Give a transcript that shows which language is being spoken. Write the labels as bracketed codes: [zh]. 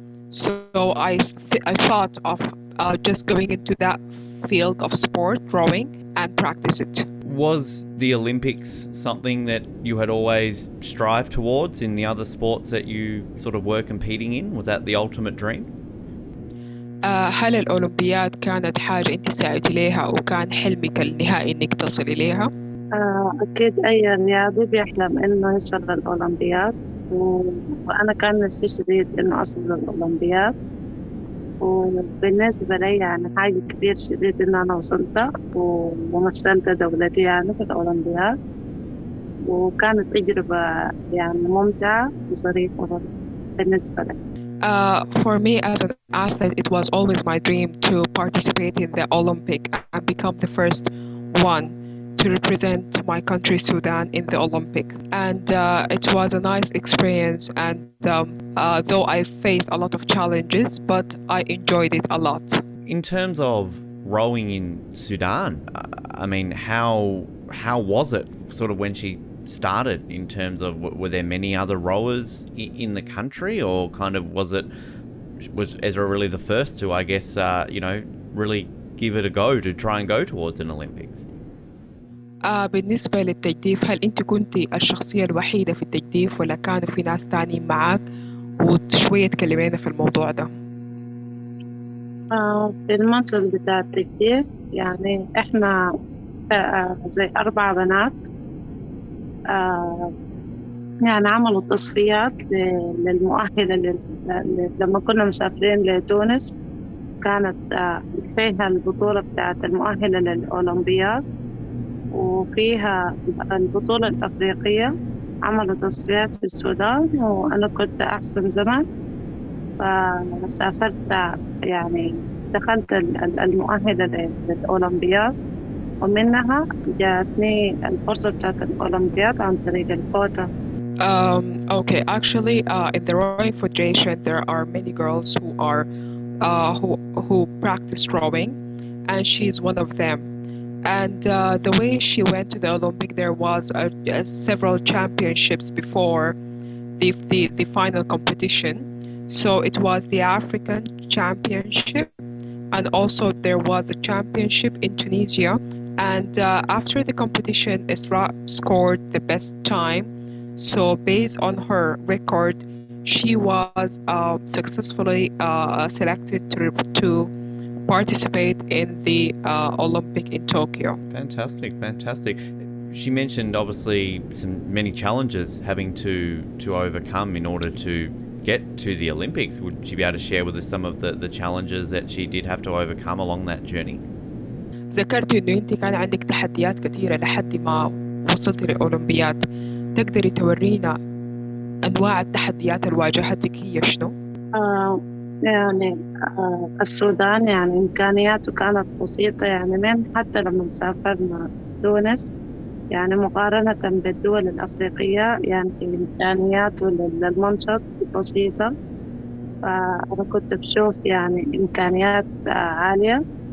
[en] So I thought of just going into that field of sport, rowing, and practice it. Was the Olympics something that you had always strived towards in the other sports that you sort of were competing in? Was that the ultimate dream? [ar] هل الأولمبياد كانت حاجة أنت سعيت إليها وكان حلمك النهائي إنك تصل إليها؟ أكيد أي رياضي بيحلم إنه يصل للأولمبياد وأنا كان نفسي شديد إنه أصل للأولمبياد وبالنسبة لي يعني حاجة كبيرة شديد إن أنا وصلت ومثلت دولتي يعني في الأولمبياد وكانت تجربة يعني ممتعة وظريفة بالنسبة لي. [en] For me as an athlete, it was always my dream to participate in the Olympic and become the first one to represent my country Sudan in the Olympic. And it was a nice experience and though I faced a lot of challenges, but I enjoyed it a lot. In terms of rowing in Sudan, I mean, how was it sort of when she started in terms of were there many other rowers in the country or kind of was Ezra really the first to, I guess, you know, really give it a go to try and go towards an Olympics? [ar] بالنسبة للتجديف هل أنت كنت الشخصية الوحيدة في التجديف ولا كانوا في ناس تانين معك وشوية تكلمينا في الموضوع ده؟ في المنصب بتاع التجديف يعني إحنا زي أربع بنات يعني عملوا تصفيات للمؤهلة لما كنا مسافرين لتونس كانت فيها البطولة بتاعت المؤهلة للأولمبياد وفيها البطولة الأفريقية عملوا تصفيات في السودان وأنا كنت أحسن زمان فسافرت يعني دخلت المؤهلة للأولمبياد ومنها جاتني الفرصة بتاعت الأولمبياد عن طريق الكوتا. [en] Okay, actually in the rowing federation there are many girls who are who practice rowing and she is one of them. And the way she went to the Olympic, there was several championships before the final competition. So it was the African Championship, and also there was a championship in Tunisia. And after the competition, Isra scored the best time. So based on her record, she was successfully selected to participate in the Olympic in Tokyo. Fantastic, fantastic. She mentioned obviously some many challenges having to overcome in order to get to the Olympics. Would she be able to share with us some of the challenges that she did have to overcome along that journey? [ar] ذكرت إنه أنت كان عندك تحديات كثيرة لحد ما وصلت للأولمبياد. تقدري تورينا أنواع التحديات اللي واجهتك هي شنو؟ يعني السودان يعني إمكانياته كانت بسيطة يعني من حتى لما سافرنا تونس يعني مقارنة بالدول الأفريقية يعني في إمكانياته للمنشط بسيطة فأنا كنت بشوف يعني إمكانيات عالية